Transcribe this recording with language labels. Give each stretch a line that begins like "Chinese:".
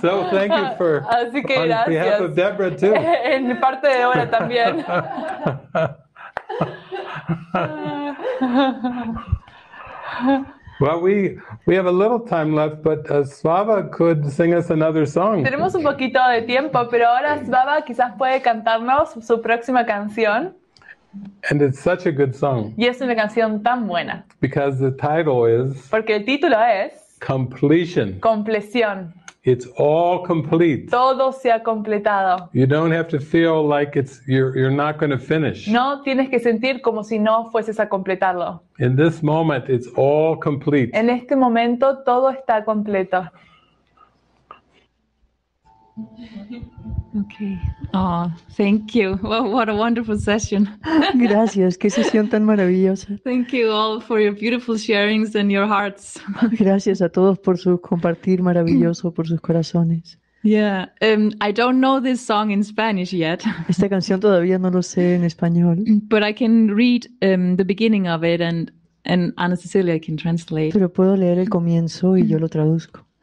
English: So thank you for
Spanish: así que gracias.
English: On behalf of Deborah too.
Spanish: En parte de Deborah también.
English: Well, we have a little time left, but Svava could sing us another song.
Spanish: Tenemos un poquito de tiempo, pero ahora Svava quizás puede cantarnos su próxima canción.
English: And it's such a good song.
Spanish: Y es una canción tan buena.
English: Because the title is.
Spanish: Porque el título es.
English: Completion.
Spanish: Compleción.
English: It's all complete.
Spanish: Todo se ha completado.
English: You don't have to feel like it's you're not going to finish.
Spanish: No tienes que sentir como si no fueses a completarlo.
English: In this moment, it's all complete.
Spanish: En este momento, todo está completo.
English: Okay. Oh, thank you. Well, what a wonderful session.
Spanish: Gracias, qué sesión tan maravillosa.
English: Thank you all for your beautiful sharings and your hearts.
Spanish: Gracias a todos por su compartir maravilloso, por sus corazones.
English: Yeah, I don't know this song in Spanish yet.
Spanish: Esta canción todavía no lo sé en español.
English: But I can read the beginning of it and Ana Cecilia can translate.
Spanish: Pero puedo leer el comienzo y yo lo traduzco.